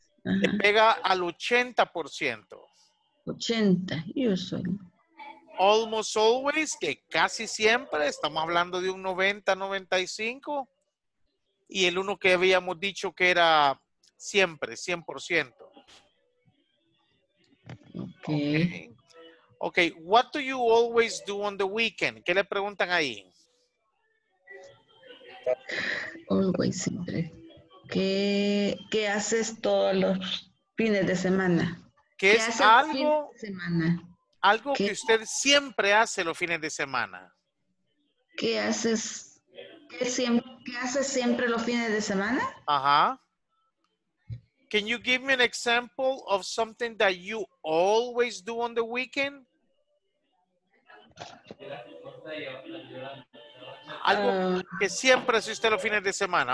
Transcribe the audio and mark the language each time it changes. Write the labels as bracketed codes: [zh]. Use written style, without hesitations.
[es] ajá. Le pega al 80%. [en] 80, usually. almost always, [es] que casi siempre, estamos hablando de un 90-95, y el uno que habíamos dicho que era siempre, 100%. [en] Okay. Okay, what do you always do on the weekend? [es] ¿Qué le preguntan ahí? Always, siempre. ¿Qué haces todos los fines de semana? ¿Qué es algo, de semana? Algo ¿Qué? Que usted siempre hace los fines de semana? ¿Qué haces? ¿Qué haces siempre los fines de semana? Ajá. [en] Can you give me an example of something that you always do on the weekend? [es] Algo que siempre hace usted los fines de semana.